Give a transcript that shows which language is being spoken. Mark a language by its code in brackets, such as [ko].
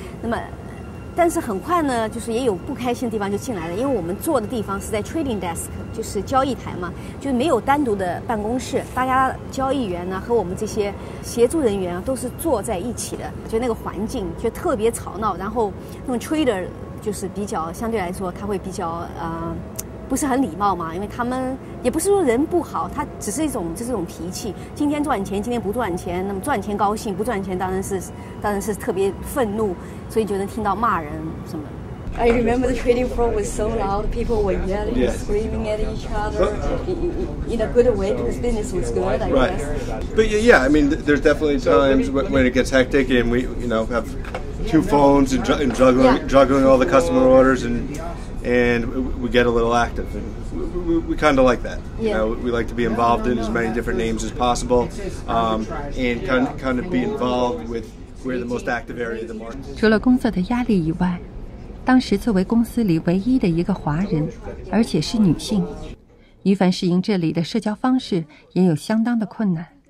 [zh] 那么，但是很快呢，就是也有不开心的地方就进来了，因为我们坐的地方是在 Trading Desk， 就是交易台嘛，就是没有单独的办公室，大家交易员呢和我们这些协助人员都是坐在一起的，就那个环境就特别吵闹，然后那种 Trader 就是比较相对来说他会比较不是很礼貌嘛，因为他们也不是说人不好，他只是一种就是一种脾气，今天赚钱今天不赚钱，那么赚钱高兴，不赚钱当然是特别愤怒，所以就能听到骂人什么的。 [en] I remember the trading floor was so loud, people were yelling, screaming at each other in a good way because business was good, I guess. Right. But yeah, I mean there's definitely times when it gets hectic and we, you know, have two phones and juggling all the customer orders and we get a little active, and we kind of like that. Yeah. You know, we like to be involved in as many different names as possible, and kind of be involved with where the most active area of the market. [zh] 除了工作的压力以外，当时作为公司里唯一的一个华人，而且是女性，于凡适应这里的社交方式也有相当的困难。